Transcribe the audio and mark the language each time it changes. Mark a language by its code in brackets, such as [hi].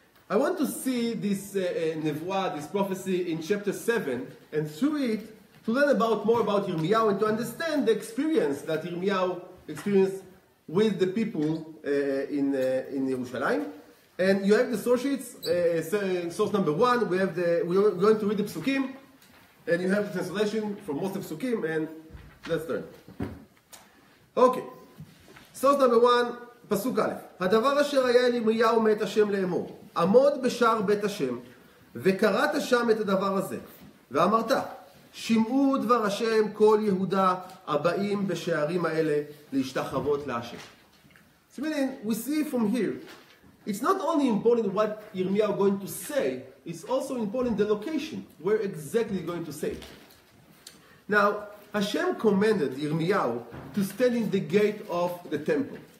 [en] I want to see this nevuah, this prophecy in chapter 7, and through it, to learn about more about Yirmiyahu and to understand the experience that Yirmiyahu experienced with the people in Yerushalayim. And you have the source sheets, source number one, we're going to read the Psukim, and you have the translation from most of Psukim, and let's learn. Okay. Source number one, Pasuk Aleph. [he] הדבר אשר היה אל ירמיהו מאת השם לאמור. עמוד בשער בית השם, וקראת שם את הדבר הזה, ואמרת, שמעו דבר השם כל יהודה הבאים בשערים האלה להשתחוות להשם. [en] So meaning, we see from here, it's not only important what Yirmiyahu going to say, it's also important the location, where exactly he's going to say. Now, Hashem commanded Yirmiyahu to stand in the gate of the temple.